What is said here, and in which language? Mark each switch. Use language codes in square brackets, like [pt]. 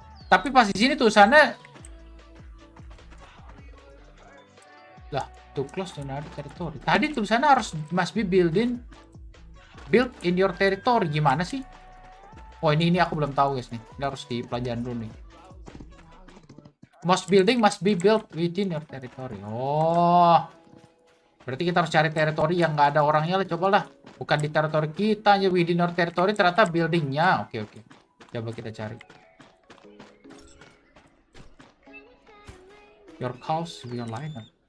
[id] Tapi pas di sini tulisannya, lah, [en] too close to another territory. [id] Tadi tulisannya harus [en] must be built in your territory. [id] Gimana sih? Oh ini aku belum tahu guys nih. Ini harus dipelajarin dulu nih. [en] Most building must be built within your territory. Oh. [id] Berarti kita harus cari teritori yang nggak ada orangnya lah, cobalah. Bukan di teritori kita, hanya [en] within our territory, [id] ternyata buildingnya. Oke, oke. Coba kita cari. [en] Your cows be aligned.